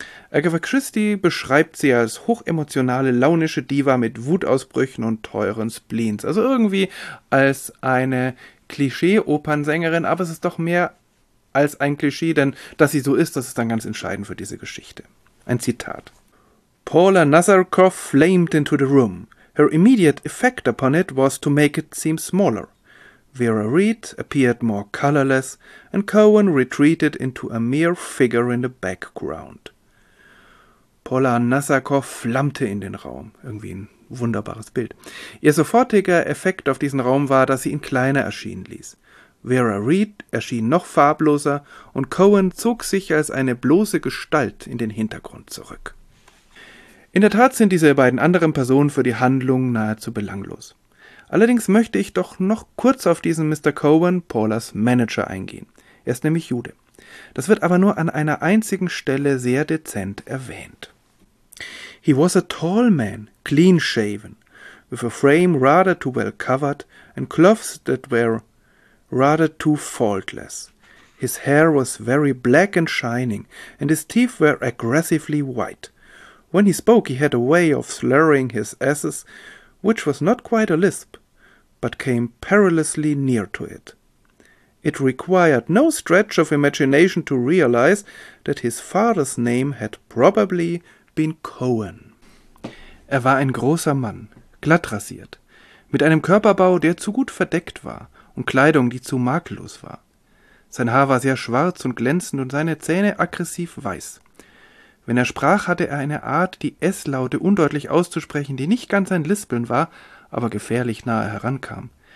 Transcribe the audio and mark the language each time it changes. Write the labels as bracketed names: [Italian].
[German] Agatha Christie beschreibt sie als hochemotionale, launische Diva mit Wutausbrüchen und teuren Spleens. Also irgendwie als eine Klischee-Opernsängerin, aber es ist doch mehr als ein Klischee, denn dass sie so ist, das ist dann ganz entscheidend für diese Geschichte. Ein Zitat. [English] Paula Nazarkoff flamed into the room. Her immediate effect upon it was to make it seem smaller. Vera Reed appeared more colorless, and Cohen retreated into a mere figure in the background. [German] Paula Nazarkoff flammte in den Raum. Irgendwie ein wunderbares Bild. Ihr sofortiger Effekt auf diesen Raum war, dass sie ihn kleiner erschienen ließ. Vera Reed erschien noch farbloser, und Cohen zog sich als eine bloße Gestalt in den Hintergrund zurück. In der Tat sind diese beiden anderen Personen für die Handlung nahezu belanglos. Allerdings möchte ich doch noch kurz auf diesen Mr. Cohen, Paulas Manager, eingehen. Er ist nämlich Jude. Das wird aber nur an einer einzigen Stelle sehr dezent erwähnt. [English] He was a tall man, clean shaven. with a frame rather too well covered, and clothes that were rather too faultless. His hair was very black and shining, and his teeth were aggressively white. When he spoke, he had a way of slurring his S's, which was not quite a lisp, but came perilously near to it. It required no stretch of imagination to realize that his father's name had probably been Cohen. [German] Er war ein großer Mann, glatt rasiert, mit einem Körperbau, der zu gut verdeckt war, und Kleidung, die zu makellos war. Sein Haar war sehr schwarz und glänzend und seine Zähne aggressiv weiß. Wenn er sprach, hatte er eine Art, die S-Laute undeutlich auszusprechen, die nicht ganz ein Lispeln war, aber gefährlich nahe herankam.